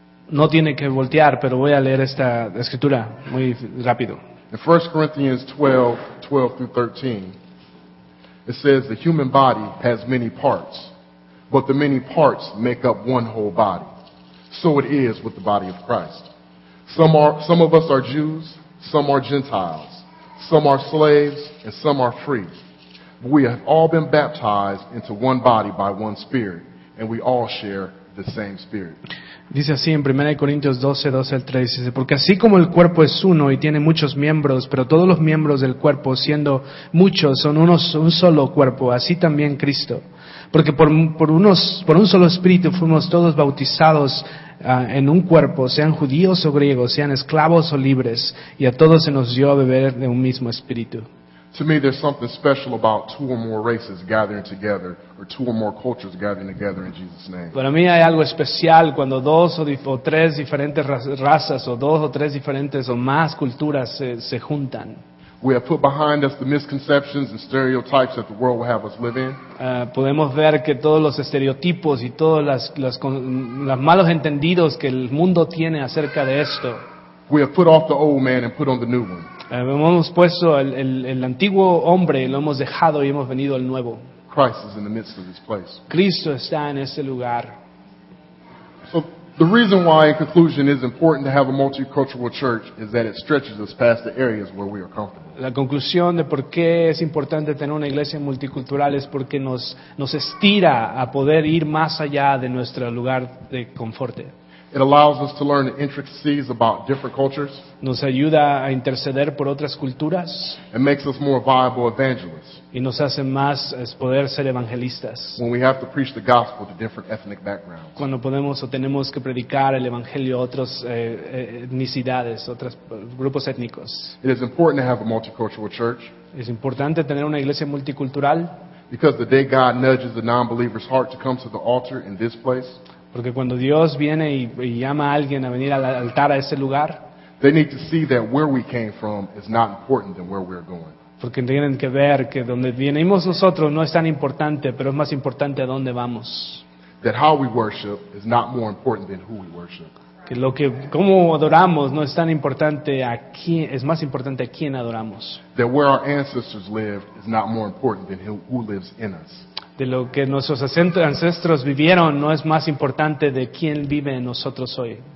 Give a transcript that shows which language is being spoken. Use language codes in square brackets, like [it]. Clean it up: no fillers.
[es] No tiene que voltear, pero voy a leer esta escritura muy rápido. [en] In 1 Corinthians 12:12 through 13, it says the human body has many parts, but the many parts make up one whole body. So it is with the body of Christ. Some of us are Jews, some are Gentiles, some are slaves, and some are free. We have all been baptized into one body by one Spirit, and we all share the same Spirit. [es] Dice así en 1 Corintios 12, 12 al 13, dice, porque así como el cuerpo es uno y tiene muchos miembros, pero todos los miembros del cuerpo, siendo muchos, son un solo cuerpo, así también Cristo. Porque por un solo Espíritu fuimos todos bautizados en un cuerpo, sean judíos o griegos, sean esclavos o libres, y a todos se nos dio a beber de un mismo Espíritu. [en] To me, there's something special about two or more races gathering together, or two or more cultures gathering together in Jesus' name. [es] Para mí hay algo especial cuando dos o tres diferentes razas o dos o tres diferentes o más culturas se juntan. [en] We have put behind us the misconceptions and stereotypes that the world will have us live in. [es] Podemos ver que todos los estereotipos y todos los malos entendidos que el mundo tiene acerca de esto. [en] We have put off the old man and put on the new one. [es] Hemos puesto el antiguo hombre, lo hemos dejado y hemos venido al nuevo. [en] Christ is in the midst of this place. [es] Cristo está en ese lugar. [en] So the reason why, in conclusion, it is important to have a multicultural church is that it stretches us past the areas where we are comfortable. [es] La conclusión de por qué es importante tener una iglesia multicultural es porque nos estira a poder ir más allá de nuestro lugar de confort. [en] It allows us to learn the intricacies about different cultures. [es] Nos ayuda a interceder por otras culturas. [en] It makes us more viable evangelists. [es] Y nos hace más poder ser evangelistas. [en] When we have to preach the gospel to different ethnic backgrounds. [es] Cuando podemos o tenemos que predicar el evangelio a otras etnicidades, otros grupos étnicos. [en] It is important to have a multicultural church. [es] Es importante tener una iglesia multicultural. [en] Because the day God nudges the non-believer's heart to come to the altar in this place. [es] Porque cuando Dios viene y llama a alguien a venir al altar a ese lugar, [en] they need to see that where we came from is not important than where we're going. [es] Porque tienen que ver que donde venimos nosotros no es tan importante, pero es más importante a dónde vamos. [en] That how we worship is not more important than who we worship. [es] Que lo que cómo adoramos no es tan importante a quién, es más importante a quién adoramos. [en] That where our ancestors lived is not more important than who lives in us. [es] De lo que nuestros ancestros vivieron no es más importante de quién vive en nosotros hoy.